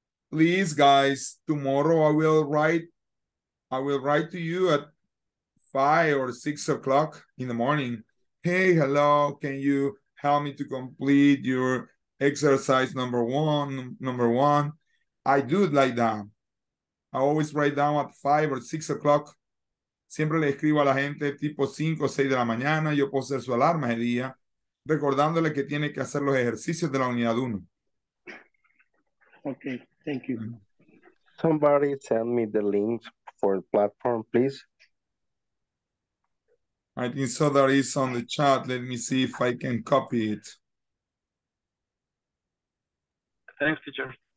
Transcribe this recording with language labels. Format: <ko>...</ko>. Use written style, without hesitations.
<en>Please guys, tomorrow I will write to you at 5 or 6 o'clock in the morning. Hey, hello, can you help me to complete your exercise number one? I do it like that. I always write down at 5 or 6 o'clock.</en> <es>Siempre le escribo a la gente tipo 5 o 6 de la mañana. Yo puedo hacer su alarma el día. recordándole que tiene que hacer los ejercicios de la unidad 1.</es> <en>Okay, thank you. Somebody send me the link for the platform, please. I think so that is on the chat. Let me see if I can copy it. Thanks, teacher.</en>